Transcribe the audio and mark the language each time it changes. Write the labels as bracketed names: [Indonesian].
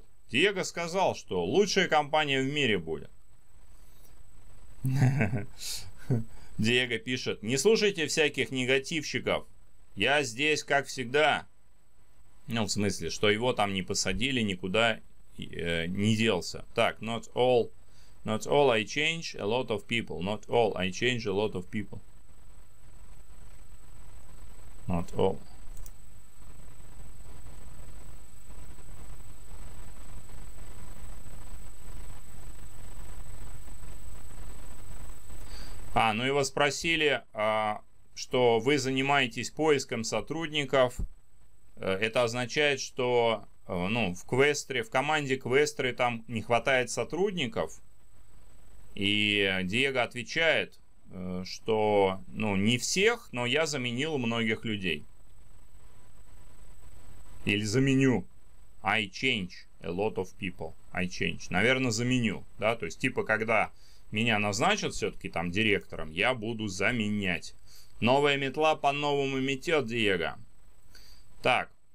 [Russian] Диего сказал, что лучшая компания в мире будет. Диего пишет. Не слушайте всяких негативщиков. Я здесь, как всегда. В смысле, что его там не посадили никуда, не делся. Так, [English] not all Not all I change, a lot of people. Not all I change, a lot of people. Not all. [Russian] А, ну и вас спросили, что вы занимаетесь поиском сотрудников. Это означает, что ну, в квестре, в команде квестре там не хватает сотрудников. И Диего отвечает, что ну, не всех, но я заменил многих людей. Или заменю. [English] I change a lot of people. I change. [Russian] Наверное, заменю. Да? То есть, типа, когда меня назначат все-таки там директором, я буду заменять. Новая метла по-новому метет, Диего. Так.